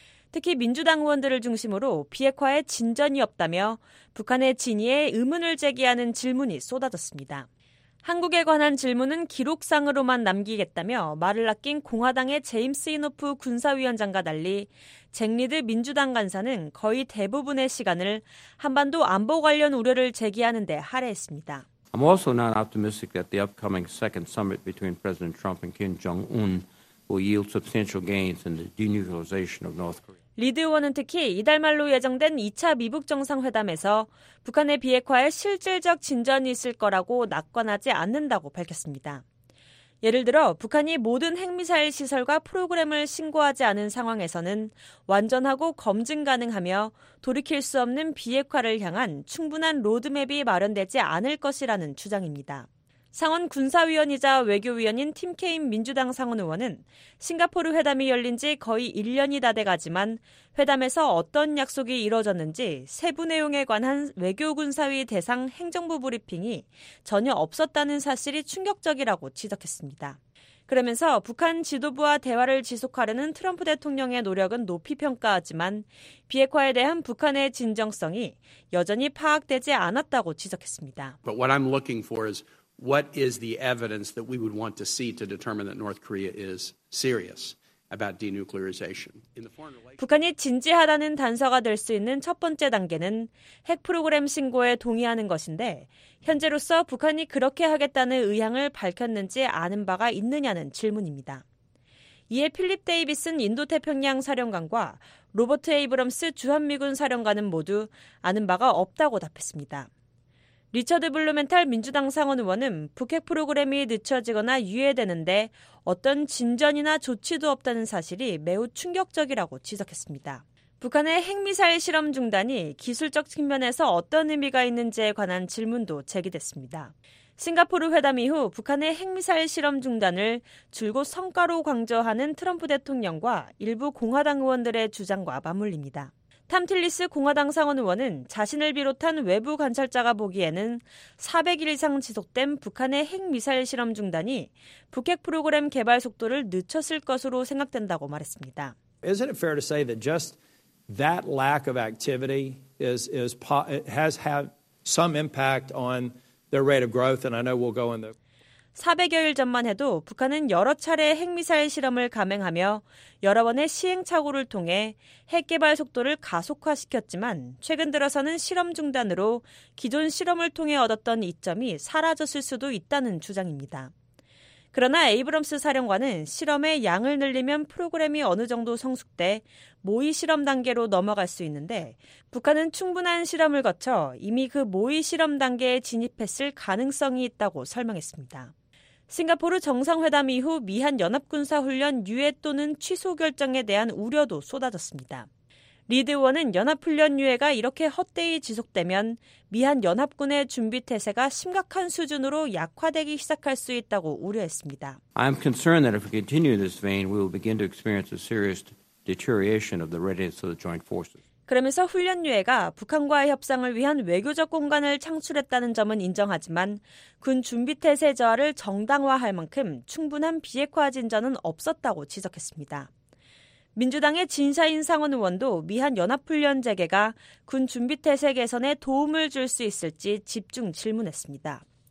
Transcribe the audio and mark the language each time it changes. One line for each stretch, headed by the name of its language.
Korean: 특히 민주당 의원들을 중심으로 비핵화에 진전이 없다며 북한의 진위에 의문을 제기하는 질문이 쏟아졌습니다. 한국에 관한 질문은 기록상으로만 남기겠다며 말을 아낀 공화당의 제임스 이노프 군사위원장과 달리 잭 리드 민주당 간사는 거의 대부분의 시간을 한반도 안보 관련 우려를 제기하는 데 할애했습니다.
English: I'm also not optimistic that the upcoming second summit between President Trump and Kim Jong-un will yield substantial gains in the denuclearization of North Korea.
Korean: 리드 의원은 특히 이달 말로 예정된 2차 미북 정상회담에서 북한의 비핵화에 실질적 진전이 있을 거라고 낙관하지 않는다고 밝혔습니다. 예를 들어 북한이 모든 핵미사일 시설과 프로그램을 신고하지 않은 상황에서는 완전하고 검증 가능하며 돌이킬 수 없는 비핵화를 향한 충분한 로드맵이 마련되지 않을 것이라는 주장입니다. 상원 군사위원이자 외교위원인 팀 케인 민주당 상원 의원은 싱가포르 회담이 열린 지 거의 1년이 다 돼가지만 회담에서 어떤 약속이 이뤄졌는지 세부 내용에 관한 외교군사위 대상 행정부 브리핑이 전혀 없었다는 사실이 충격적이라고 지적했습니다. 그러면서 북한 지도부와 대화를 지속하려는 트럼프 대통령의 노력은 높이 평가하지만 비핵화에 대한 북한의 진정성이 여전히 파악되지 않았다고 지적했습니다.
English: But what I'm looking for is What is the evidence that we would want to see to determine that North Korea is serious about denuclearization?
Korean: 북한이 진지하다는 단서가 될 수 있는 첫 번째 단계는 핵 프로그램 신고에 동의하는 것인데 현재로서 북한이 그렇게 하겠다는 의향을 밝혔는지 아는 바가 있느냐는 질문입니다. 이에 필립 데이비슨 인도태평양 사령관과 로버트 에이브럼스 주한미군 사령관은 모두 아는 바가 없다고 답했습니다. 리처드 블루멘탈 민주당 상원 의원은 북핵 프로그램이 늦춰지거나 유예되는데 어떤 진전이나 조치도 없다는 사실이 매우 충격적이라고 지적했습니다. 북한의 핵미사일 실험 중단이 기술적 측면에서 어떤 의미가 있는지에 관한 질문도 제기됐습니다. 싱가포르 회담 이후 북한의 핵미사일 실험 중단을 줄곧 성과로 강조하는 트럼프 대통령과 일부 공화당 의원들의 주장과 맞물립니다. 탐 틸리스 공화당 상원 의원은 자신을 비롯한 외부 관찰자가 보기에는 400일 이상 지속된 북한의 핵미사일 실험 중단이 북핵 프로그램 개발 속도를 늦췄을 것으로 생각된다고 말했습니다.
English: Isn't it fair to say that just that lack of activity has had some impact on their rate of growth? And I know we'll go in the
Korean: 400여일 전만 해도 북한은 여러 차례 핵미사일 실험을 감행하며 여러 번의 시행착오를 통해 핵 개발 속도를 가속화시켰지만 최근 들어서는 실험 중단으로 기존 실험을 통해 얻었던 이점이 사라졌을 수도 있다는 주장입니다. 그러나 에이브럼스 사령관은 실험의 양을 늘리면 프로그램이 어느 정도 성숙돼 모의 실험 단계로 넘어갈 수 있는데 북한은 충분한 실험을 거쳐 이미 그 모의 실험 단계에 진입했을 가능성이 있다고 설명했습니다. 싱가포르 정상회담 이후 미한 연합군사훈련 유예 또는 취소 결정에 대한 우려도 쏟아졌습니다. 리드 의원은 연합훈련 유예가 이렇게 헛되이 지속되면 미한 연합군의 준비태세가 심각한 수준으로 약화되기 시작할 수 있다고 우려했습니다.
English: I am concerned that if we continue in this vein, we will begin to experience a serious deterioration of the readiness of the joint forces.
Korean: 그러면서 훈련 유예가 북한과의 협상을 위한 외교적 공간을 창출했다는 점은 인정하지만 군 준비태세 저하를 정당화할 만큼 충분한 비핵화 진전은 없었다고 지적했습니다. 민주당의 진샤인 상원 의원도 미한 연합훈련 재개가 군 준비태세 개선에 도움을 줄 수 있을지 집중 질문했습니다.